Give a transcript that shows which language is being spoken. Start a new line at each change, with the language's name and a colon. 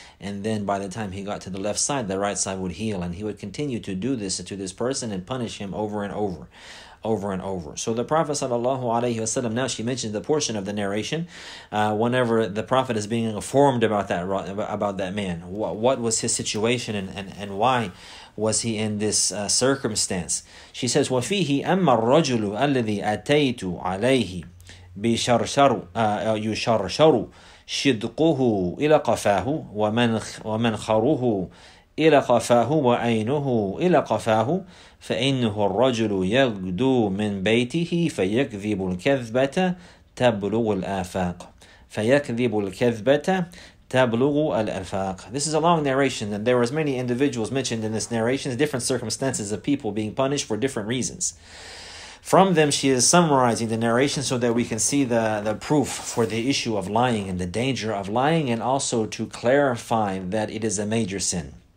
English: And then by the time he got to the left side, the right side would heal. And he would continue to do this to this person and punish him over and over. Over and over. So the Prophet sallallahu alaihi wasallam, now she mentioned the portion of the narration, whenever the Prophet is being informed about that man, what was his situation and why was he in this circumstance? She says,
Arabic: وَفِيهِ أَمَّا الرَّجُلُ الَّذِي أَتَيْتُ عَلَيْهِ بِشَرْشَرُ يُشَرْشَرُ شِدْقُهُ إِلَى قَفَاهُ وَمَنْخَرُهُ إلى قفاه وعينه إلى قفاه فإنه الرجل يغدو من بيته فيكذب الكذبة تبلغ الآفاق فيكذب الكذبة تبلغ الآفاق.
English: This is a long narration, and there was many individuals mentioned in this narration, different circumstances of people being punished for different reasons. From them, she is summarizing the narration so that we can see the proof for the issue of lying and the danger of lying, and also to clarify that it is a major sin.